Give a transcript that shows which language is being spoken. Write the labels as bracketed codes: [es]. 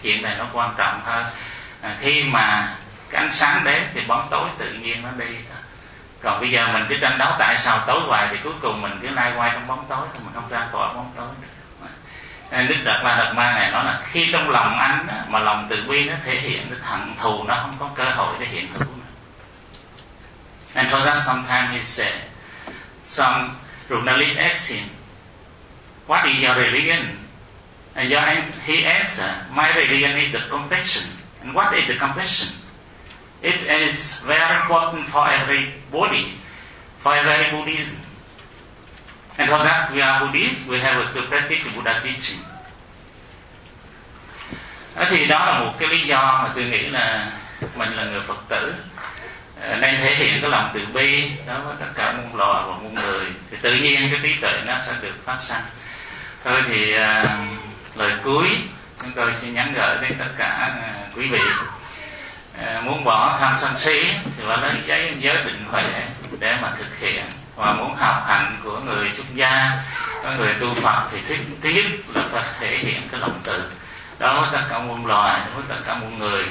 [vi] Chuyện này nó quan trọng hơn. Khi mà cái ánh sáng đến thì bóng tối tự nhiên nó đi thôi. Còn bây giờ mình cứ tranh đấu tại sao tối hoài thì cuối cùng mình cứ lai quay trong bóng tối, mình không ra khỏi bóng tối được. Đức Đạt Lai Lạt Ma này nói là khi trong lòng anh mà lòng từ bi nó thể hiện, cái hận thù nó không có cơ hội để hiện hữu. [en] And for that sometimes he said, some journalists asked him, What is your religion? And your answer, he answered, my religion is the compassion. And what is the compassion? It is very important for everybody, for every Buddhism. And for that, we are Buddhists, we have to practice Buddha teaching. [vi] Thì đó là một cái lý do mà tôi nghĩ là mình là người Phật tử nên thể hiện cái lòng từ bi đó với tất cả muôn loài và muôn người, thì tự nhiên cái trí tuệ nó sẽ được phát sanh. Thôi thì lời cuối chúng tôi xin nhắn gửi đến tất cả quý vị, muốn bỏ tham sân si thì phải lấy giấy giới định huệ để mà thực hiện, và muốn học hạnh của người xuất gia, của người tu Phật thì thứ nhất là phải thể hiện cái lòng từ đó với tất cả muôn loài, đó với tất cả muôn người.